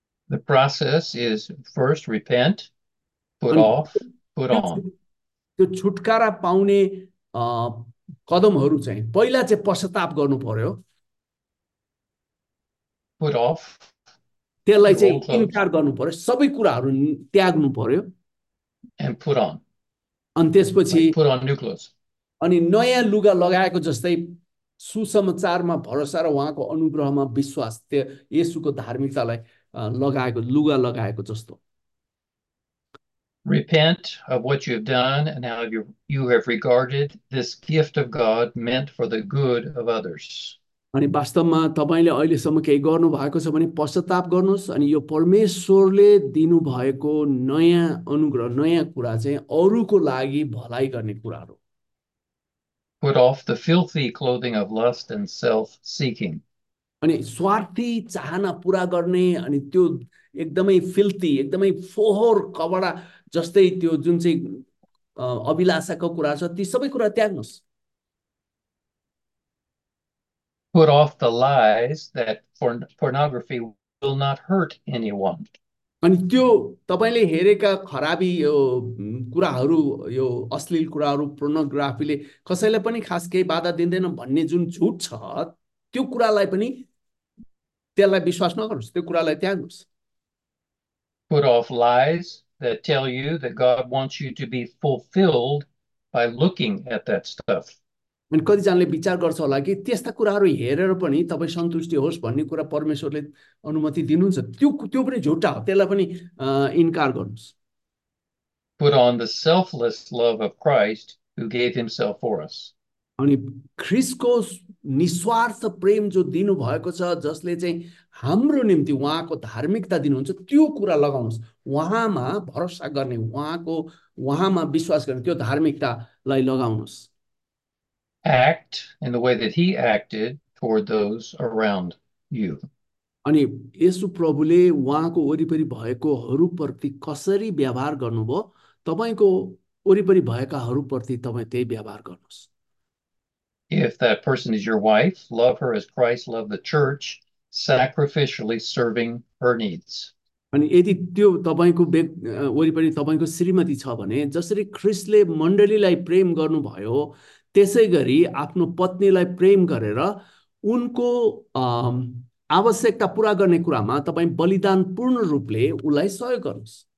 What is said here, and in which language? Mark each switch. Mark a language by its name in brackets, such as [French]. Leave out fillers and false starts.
[English] The process is first repent, put off, put on. [Nepali] त्यो छुटकारा पाउने कदमहरू चाहिँ पहिला चाहिँ पश्चाताप गर्नु पर्यो [English] Put off [Nepali] त्यसलाई [English] your [Nepali] चाहिँ [English] old clothes [Nepali] इन्कार गर्नु पर्यो सबै कुराहरू त्याग्नु पर्यो [English] and put on, [Nepali] अनि त्यसपछि [English] like put on new clothes. [Nepali] अनि नयाँ लुगा लगाएको जस्तै सुसमाचारमा भरोसा र उहाँको अनुग्रहमा विश्वास त्यो येशूको धार्मिकतालाई लगाएको लुगा लगाएको जस्तो. [English] Repent of what you have done and how you have regarded this gift of God meant for the good of others. [Nepali] अनि वास्तवमा तपाईँले अहिलेसम्म केही गर्नुभएको छ भने पश्चाताप गर्नुहोस् अनि यो परमेश्वरले दिनुभएको नयाँ अनुग्रह नयाँ कुरा चाहिँ अरूको लागि भलाइ गर्ने कुराहरू. [English] Put off the filthy clothing of lust and self-seeking. [Nepali] अनि स्वार्थी चाहना पुरा गर्ने अनि त्यो एकदमै फिल्थी एकदमै फोहोर कपडा जस्तै त्यो जुन चाहिँ अभिलाषाको कुरा छ ती सबै कुरा त्याग्नुहोस्. [English] Put off the lies that pornography will not hurt anyone. [Nepali] अनि त्यो तपाईँले हेरेका खराबी यो कुराहरू यो अश्लील कुराहरू प्रोनोग्राफीले कसैलाई पनि खास केही बाधा दिँदैन भन्ने जुन झुट छ त्यो कुरालाई पनि त्यसलाई विश्वास नगर्नुहोस् त्यो कुरालाई त्याग्नुहोस्. [English] Put off lies that tell you that God wants you to be fulfilled by looking at that stuff. [Nepali] अनि कतिजनाले विचार गर्छ होला कि त्यस्ता कुराहरू हेरेर पनि तपाईँ सन्तुष्टि होस् भन्ने कुरा परमेश्वरले अनुमति दिनुहुन्छ त्यो त्यो पनि झुटा हो त्यसलाई पनि इन्कार गर्नुहोस् [English] Put on the selfless love of Christ who gave himself for us. [Nepali] अनि ख्रिस्टको निस्वार्थ प्रेम जो दिनुभएको छ जसले चाहिँ हाम्रो निम्ति उहाँको धार्मिकता दिनुहुन्छ त्यो कुरा लगाउनुहोस् उहाँमा भरोसा गर्ने उहाँको उहाँमा विश्वास गर्ने त्यो धार्मिकतालाई लगाउनुहोस् [English] Act in the way that he acted toward those around you. [Nepali] अनि येशु प्रभुले उहाँको वरिपरि भएकोहरूप्रति कसरी व्यवहार गर्नुभयो तपाईँको वरिपरि भएकाहरूप्रति तपाईँ त्यही व्यवहार गर्नुहोस् [English] If that person is your wife, love her as Christ loved the church, sacrificially serving her needs. [Nepali] अनि यदि त्यो तपाईँको वरिपरि तपाईँको श्रीमती छ भने जसरी ख्रिस्टले मण्डलीलाई प्रेम गर्नुभयो त्यसै गरी आफ्नो पत्नीलाई प्रेम गरेर उनको आवश्यकता पुरा गर्ने कुरामा तपाईँ बलिदान पूर्ण रूपले उसलाई सहयोग गर्नुहोस्